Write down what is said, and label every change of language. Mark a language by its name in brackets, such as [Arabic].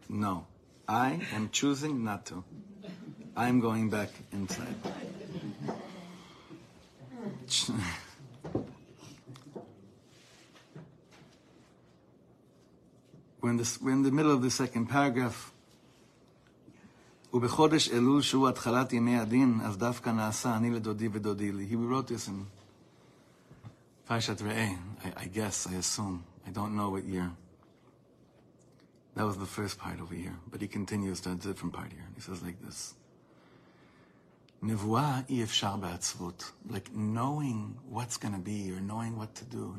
[English] No, I am choosing not to. I'm going back inside. We're in the middle of the second paragraph. [Hebrew] ובחודש אלול שהוא התחלת ימי הדין, אז דווקא נעשה אני לדודי ודודי לי. [English] He wrote this in Parashat Re'eh, I assume. I don't know what year. That was the first part of a year. But he continues to a different part here. He says like this. [Hebrew] נבואה אי אפשר בעצבות. [English] Like knowing what's going to be or knowing what to do.